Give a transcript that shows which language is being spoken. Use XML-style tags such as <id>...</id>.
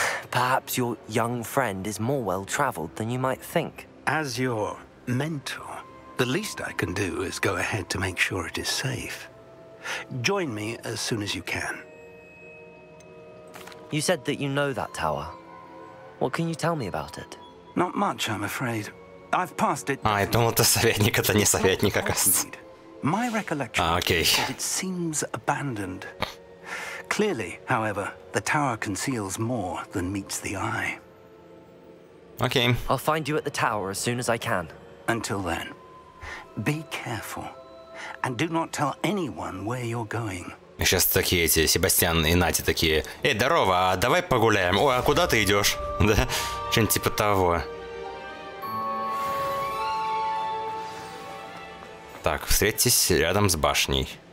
<en>Perhaps your young friend is more well-traveled than you might think. As your mentor, the least I can do is go ahead to make sure it is safe. Join me as soon as you can. You said that you know that tower. What can you tell me about it? Not much, I'm afraid. I've passed it.</en> <ru>А, я думал, это советник, это не советник, оказывается.</ru> <en>My recollection is that it seems abandoned. Clearly, however, the tower conceals more than meets the eye. Okay. I'll find you at the tower as soon as I can. Until then, be careful. And do not tell anyone where you're going.</en> <ru>Сейчас такие эти, Себастьян и Надя такие: «Эй, здорово, а давай погуляем?» «О, а куда ты идешь?» Да, что-нибудь типа того. Так, встретьтесь рядом с башней.</ru>